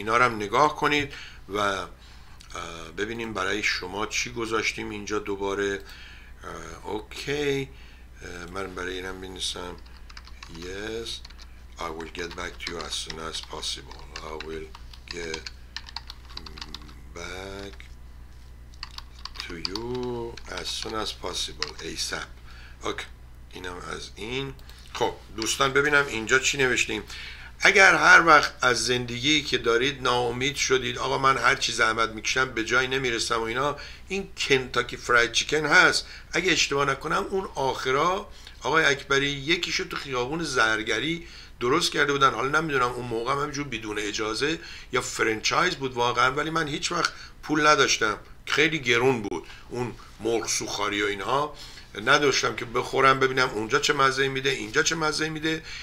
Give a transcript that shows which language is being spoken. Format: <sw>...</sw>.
<fa>اینا رو هم نگاه کنید و ببینیم برای شما چی گذاشتیم اینجا دوباره. اوکی من برای اینم می‌نویسم</fa> <en>yes I will get back to you as soon as possible. I will get back to you as soon as possible ASAP.</en> <fa>اوکی اینم از این. خب دوستان ببینم اینجا چی نوشتیم. اگر هر وقت از زندگی که دارید ناامید شدید، آقا من هر چی زحمت میکشم به جایی نمیرسم و اینا، این کنتاکی فراید چیکن هست اگه اشتباه نکنم اون آخرا آقای اکبری یکیشو تو خیابون زرگری درست کرده بودن، حالا نمیدونم اون موقع هم همینجور بدون اجازه یا فرنچایز بود واقعا، ولی من هیچ وقت پول نداشتم، خیلی گرون بود اون مرغ سوخاری و اینها، نداشتم که بخورم ببینم اونجا چه مزه‌ای میده اینجا چه مزه‌ای میده.</fa>